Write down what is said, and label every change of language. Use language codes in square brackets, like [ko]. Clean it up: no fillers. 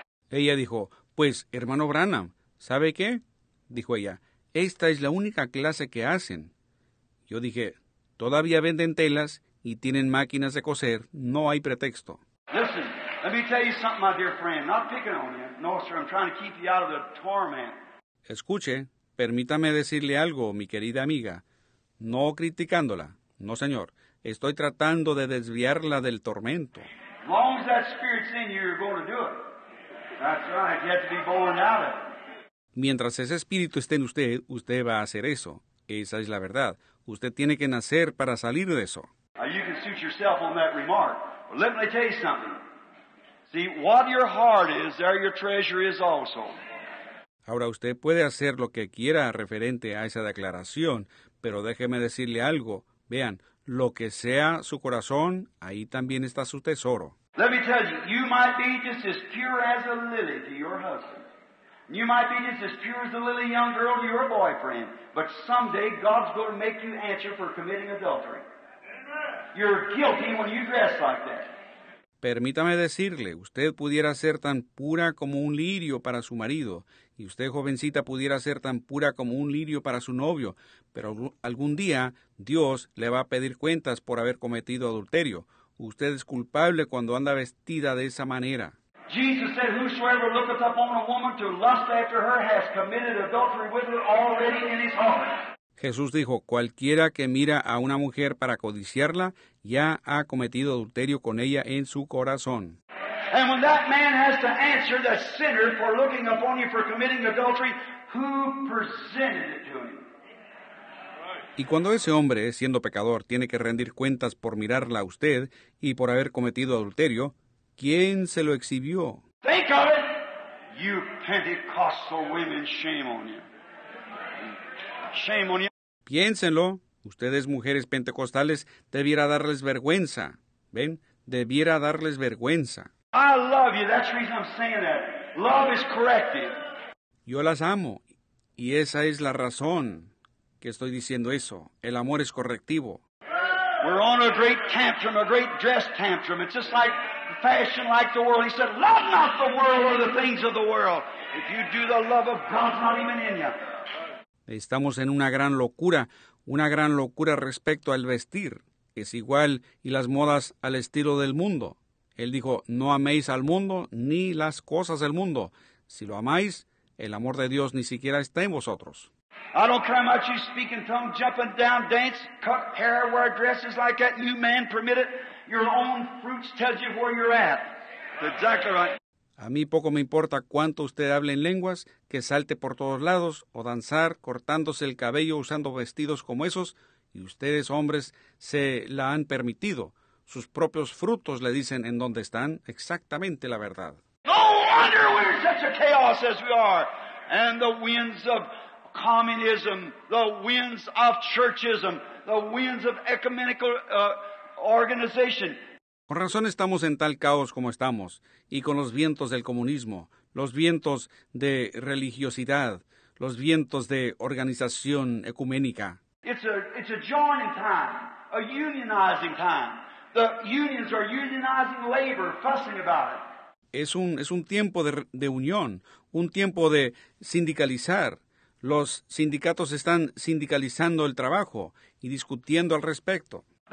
[es] Ella dijo, pues, hermano Branham, ¿sabe qué? Dijo ella, esta es la única clase que hacen. Yo dije, todavía venden telas y tienen máquinas de coser. No hay pretexto. [en] Listen, let me tell you something, my dear friend. Not picking on you. No, sir, I'm trying to keep you out of the torment. [es] Escuche, permítame decirle algo, mi querida amiga. No criticándola. No, señor. Estoy tratando de desviarla del tormento. [en] As long as that spirit's in you, you're going to do it. That's right. You have to be born out of it. [es] Mientras ese espíritu esté en usted, usted va a hacer eso. Esa es la verdad. Usted tiene que nacer para salir de eso. [en] You can suit yourself on that remark. But let me tell you something. See, what your heart is, there your treasure is also. [es] Ahora usted puede hacer lo que quiera referente a esa declaración, pero déjeme decirle algo. Vean, lo que sea su corazón, ahí también está su tesoro. [en] Let me tell you, you might be just as pure as a lily to your husband. You might be just as pure as a lily young girl to your boyfriend, but someday God's going to make you answer for committing adultery. You're guilty when you dress like that. [es] Permítame decirle, usted pudiera ser tan pura como un lirio para su marido, y usted, jovencita, pudiera ser tan pura como un lirio para su novio, pero algún día Dios le va a pedir cuentas por haber cometido adulterio. Usted es culpable cuando anda vestida de esa manera. [en] Jesus said, whosoever looketh upon a woman to lust after her has committed adultery with her already in his heart. [es] Jesús dijo, cualquiera que mira a una mujer para codiciarla, ya ha cometido adulterio con ella en su corazón. [en] And when that man has to answer the sinner for looking upon you for committing adultery, who presented it to him? [es] Y cuando ese hombre, siendo pecador, tiene que rendir cuentas por mirarla a usted y por haber cometido adulterio, ¿quién se lo exhibió? [en] Think of it! You Pentecostal women, shame on you. Shame on you. [es] Piénsenlo. Ustedes, mujeres pentecostales, debiera darles vergüenza. ¿Ven? Debiera darles vergüenza. [en] I love you. That's the reason I'm saying that. Love is corrective. [es] Yo las amo. Y esa es la razón que estoy diciendo eso. El amor es correctivo. [en] We're on a great tantrum, a great dress tantrum. It's just like fashion, like the world. He said, love not the world or the things of the world. If you do, the love of God's not even in you. [es] Estamos en una gran locura respecto al vestir. Es igual y las modas al estilo del mundo. Él dijo, no améis al mundo ni las cosas del mundo. Si lo amáis, el amor de Dios ni siquiera está en vosotros. [en] I don't care much you speak in tongues, jumping down, dance, cut hair, wear dresses like that, you man permit it. Your own fruits tell you where you're at. That's exactly right. [es] A mí poco me importa cuánto usted hable en lenguas, que salte por todos lados o danzar cortándose el cabello usando vestidos como esos, y ustedes hombres se la han permitido. Sus propios frutos le dicen en dónde están exactamente la verdad. [en] No wonder we're in such a chaos as we are, and the winds of communism, the winds of churchism, the winds of ecumenical organization. [es] Con razón estamos en tal caos como estamos, y con los vientos del comunismo, los vientos de religiosidad, los vientos de organización ecuménica. [en] It's a joining time, a unionizing time. The unions are unionizing labor, fussing about it. [es] Es un tiempo de unión, un tiempo de sindicalizar. Los sindicatos están sindicalizando el trabajo y discutiendo al respecto.